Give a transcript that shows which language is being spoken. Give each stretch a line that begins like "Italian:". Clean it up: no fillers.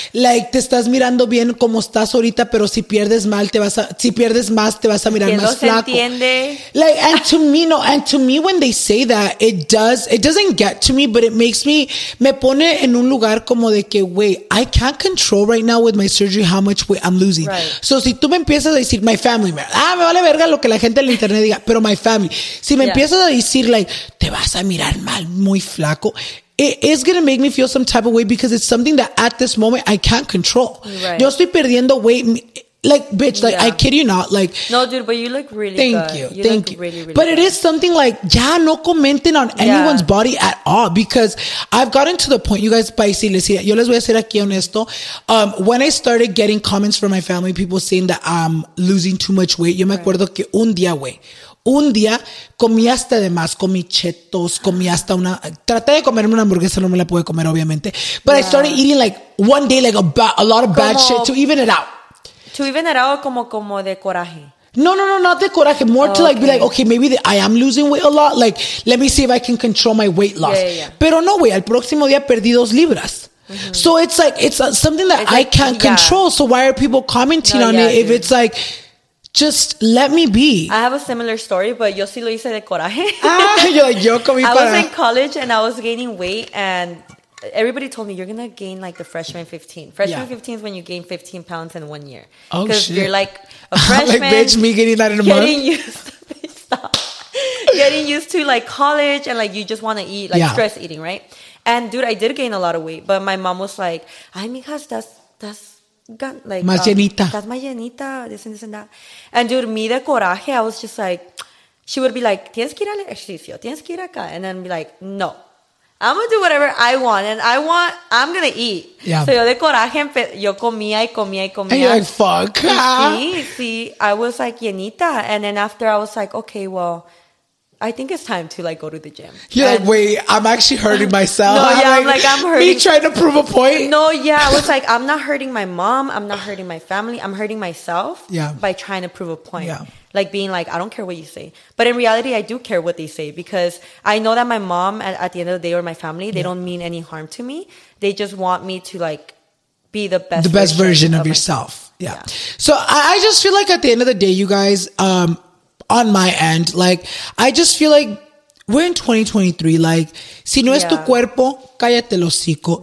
Spanish: Like, te estás mirando bien como estás ahorita, pero si pierdes mal, te vas a, si pierdes más, te vas a mirar más flaco. Entiende.
English: Like, and to me, no, and to me, when they say that, it doesn't get to me, but it makes me,
Spanish: me pone en un lugar como de que,
English: wait, I can't control right now with my surgery how much weight I'm losing. Right.
Spanish: So, si tú me empiezas a decir,
English: my family,
Spanish: me vale verga lo que la gente el internet diga, pero my family, si me empiezas a decir, like, te vas a mirar mal, muy flaco,
English: it is gonna make me feel some type of way because it's something that at this moment I can't control. Right.
Spanish: Yo estoy perdiendo
English: weight, like, bitch, like, I kid you not, like, no, dude, but you look really thank good. You, you thank you. Really, really but good. It is something like,
Spanish: ya no
English: commenting on anyone's body at all because I've gotten to the point, you guys, spicy,
Spanish: les decía, yo les voy a ser aquí honesto.
English: When I started getting comments from my family, people saying that I'm losing too much weight,
Spanish: yo me acuerdo que un día, güey. Un día comí hasta de más, comí chetos, comí hasta una... Traté de comerme una hamburguesa, no me la pude comer, obviamente.
English: But I started eating, like, one day, like, a lot of bad shit to even it out. To even it out
Spanish: como de coraje.
English: No, not
Spanish: de coraje.
English: More to, like, be like, okay, maybe I am losing weight a lot. Like, let me see if I can control my weight loss. Yeah.
Spanish: Pero no, güey, al próximo día perdí 2 libras. Mm-hmm.
English: So it's, like, it's something that I can't control. So why are people commenting on it if it's, like... Just let me be. I have a similar story, but
Spanish: yo sí lo hice de coraje.
English: You're like,
Spanish: yo comí para.
English: I was in college and I was gaining weight and everybody told me you're going to gain like the freshman 15. Freshman 15 is when you gain 15 pounds in 1 year. Oh, shit. Because you're like a freshman. Like, bitch, me getting that in a getting month? Used to, getting used to like college and like you just want to eat, like stress eating, right? And dude, I did gain a lot of weight, but my mom was like,
Spanish: ay, mijas,
English: that's. Like,
Spanish: más llenita.
English: That's
Spanish: más llenita,
English: this and this and that. And dude,
Spanish: me de coraje,
English: I was just like, she would be like,
Spanish: tienes que ir al ejercicio, tienes que ir acá.
English: And then be like, no, I'm going to do whatever I want. And I want, I'm going to eat. Yeah.
Spanish: So yo de coraje, yo comía y comía y comía.
English: And you're like, fuck. Sí, I was like, llenita. And then after I was like, okay, well, I think it's time to like go to the gym. You're like, wait, I'm actually hurting myself. No, yeah, I'm like, I'm hurting. Me trying to prove a point. No, yeah, I was like, I'm not hurting my mom. I'm not hurting my family. I'm hurting myself by trying to prove a point. Yeah. Like being like, I don't care what you say. But in reality, I do care what they say because I know that my mom at the end of the day or my family, they don't mean any harm to me. They just want me to like be the best version of yourself. Yeah. So I just feel like at the end of the day, you guys, on my end, like, I just feel like we're in 2023.
Spanish: Like, si no es tu cuerpo, cállate el hocico.